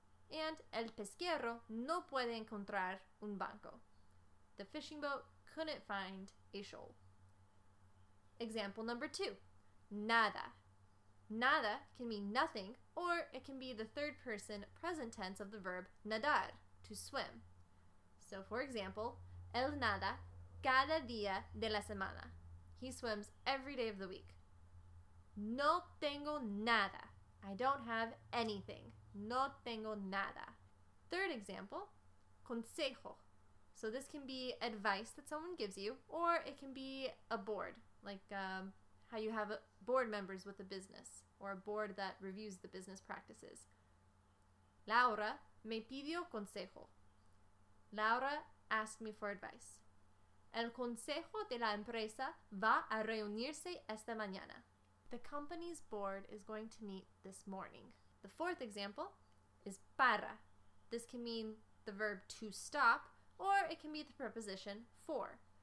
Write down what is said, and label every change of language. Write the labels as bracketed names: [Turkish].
[Spanish] And el pesquero no puede encontrar un banco. [English] The fishing boat couldn't find a shoal. Example number 2, nada. Nada can mean nothing, or it can be the third person present tense of the verb nadar, to swim. So for example, [Spanish] él nada cada día de la semana. [English] He swims every day of the week. [Spanish] No tengo nada. [English] I don't have anything. [Spanish] No tengo nada. [English] Third example, consejo. So this can be advice that someone gives you, or it can be a board, like how you have board members with a business, or a board that reviews the business practices. [Spanish] Laura me pidió consejo. [English] Laura asked me for advice. [Spanish] El consejo de la empresa va a reunirse esta mañana. [English] The company's board is going to meet this morning. The fourth example is para. This can mean the verb to stop, or it can be the preposition for.